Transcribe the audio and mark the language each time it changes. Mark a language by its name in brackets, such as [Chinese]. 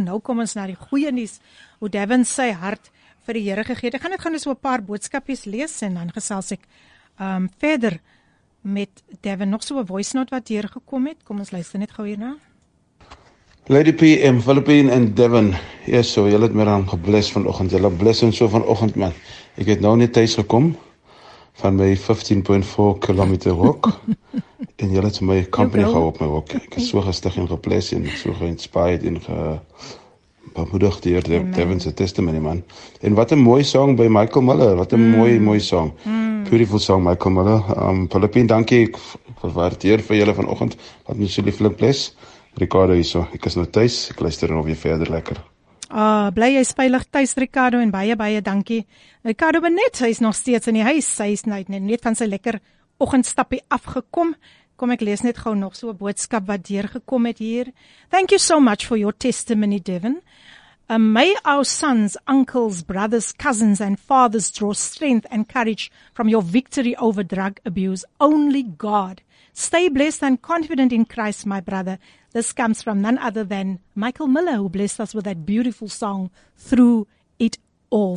[Afrikaans] Nou kom ons na die goeie nuus, hoe Devin sy hart vir die Here gegee het. Ek gaan net gaan so 'n paar boodskapies lees en dan gesels ek verder met Devin. Nog so 'n voice note wat hier gekom het. Kom ons luister net gou hierna. Lady PM, Philippine en Devin. Yes, so, julle het my dan gebless vanoggend. Julle bless ons so vanoggend, man. Ek het nou net tuis gekom van my 15.4 kilometer walk en julle het my company gehou op my walk. Ek is so gestig en gebless en so geïnspired en bemoedig deur Devin se testimony, man. En wat 'n mooi song by Michael Miller. Wat 'n mooi song. [English] Beautiful song, [Afrikaans] Michael Miller. Philippine, dankie. Ek waardeer vir julle vanoggend. Wat my so lieflik bless. Ricardo hierso. Ek is nou tuis. Ek luister nou weer verder lekker. Ah, oh, bly jy veilig tuis, Ricardo, en baie, baie dankie. Ricardo Benet, hy is nog steeds in die huis. Hy is net van sy lekker oggendstappie afgekom. Kom, ek lees net gauw nog so 'n boodskap wat deurgekom het hier. [English] Thank you so much for your testimony, Devin. May our sons, uncles, brothers, cousins, and fathers draw strength and courage from your victory over drug abuse. Only God. Stay blessed and confident in Christ, my brother. This comes from none other than Michael Miller, who blessed us with that beautiful song, Through It All.